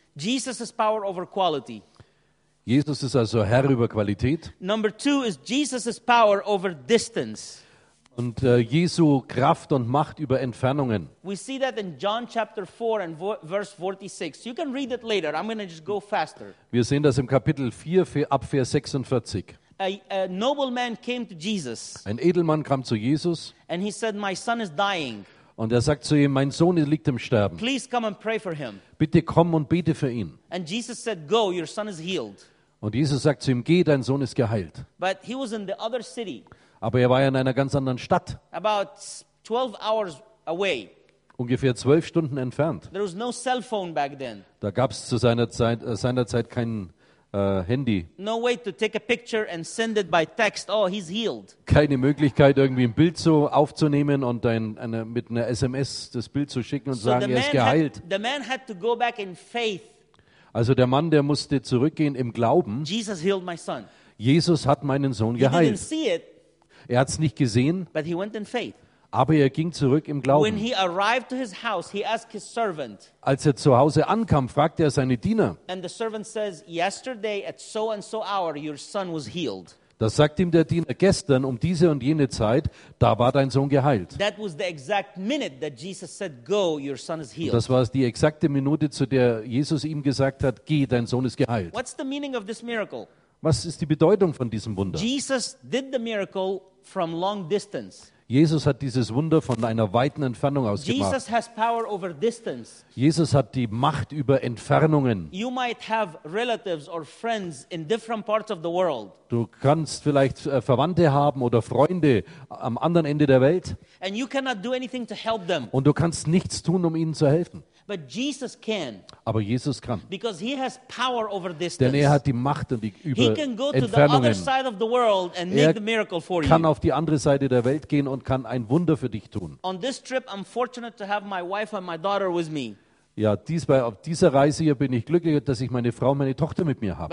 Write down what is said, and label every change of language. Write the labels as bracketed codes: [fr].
[en] Jesus is power over quality. [de] Jesus ist also Herr über Qualität. [en] Number two is Jesus is power over distance. [de] Und Jesu Kraft und Macht über Entfernungen. [en] We see that in John chapter 4 and verse 46. You can read it later. I'm going to just go faster. [de] Wir sehen das im Kapitel 4 ab Vers 46. [en] A noble man came to Jesus. [de] Ein Edelmann kam zu Jesus. [en] And he said, "My son is dying." [de] Und er sagt zu ihm, mein Sohn liegt im Sterben. [en] Please come and pray for him. [de] Bitte komm und bete für ihn. [en] And Jesus said, "Go, your son is healed." [de] Und Jesus sagt zu ihm, geh, dein Sohn ist geheilt. [en] But he was in the other city. [de] Aber er war in einer ganz anderen Stadt. [en] About 12 hours away. [de] Ungefähr 12 Stunden entfernt. [en] There was no cell phone back then. [de] Da gab es zu seiner Zeit kein Handy. [en] No way to take a picture and send it by text. Oh, he's healed. [de] Keine Möglichkeit, irgendwie ein Bild so aufzunehmen und mit einer SMS das Bild zu schicken und sagen, er ist geheilt. [en] The man had to go back in faith. [de] Also der Mann, der musste zurückgehen im Glauben. [en] Jesus healed my son. [de] Jesus hat meinen Sohn geheilt. [en] He didn't see it. [de] Er hat es nicht gesehen. [en] But he went in faith. [de] Aber er ging zurück im Glauben. [en] When he arrived to his house, he asked his servant. [de] Als er zu Hause ankam, fragte er seine Diener. [en] And the servant says, "Yesterday at so and so hour, your son was healed." [de] Da sagt ihm der Diener, gestern um diese und jene Zeit, da war dein Sohn geheilt. [en] That was the exact minute that Jesus said, "Go, your son is healed." [de] Und das war die exakte Minute, zu der Jesus ihm gesagt hat, geh, dein Sohn ist geheilt. [en] What's the meaning of this miracle? [de] Was ist die Bedeutung von diesem Wunder? [en] Jesus did the miracle from long distance. [de] Jesus hat dieses Wunder von einer weiten Entfernung aus gemacht. [en] Jesus has power over distance. [de] Jesus hat die Macht über Entfernungen. [en] You might have relatives or friends in different parts of the world. [de] Du kannst vielleicht Verwandte haben oder Freunde am anderen Ende der Welt. [en] And you cannot do anything to help them. [de] Und du kannst nichts tun, um ihnen zu helfen. [en] But Jesus can. [de] Aber Jesus kann. [en] Because he has power over distance. [de] Denn er hat die Macht und die über Entfernungen. [en] He can go to the other side of the world and make the miracle for you. [de] Er kann auf die andere Seite der Welt gehen und kann ein Wunder für dich tun. [en] On this trip, I'm fortunate to have my wife and my daughter with me. [de] Ja, auf dieser Reise hier bin ich glücklich, dass ich meine Frau und meine Tochter mit mir habe.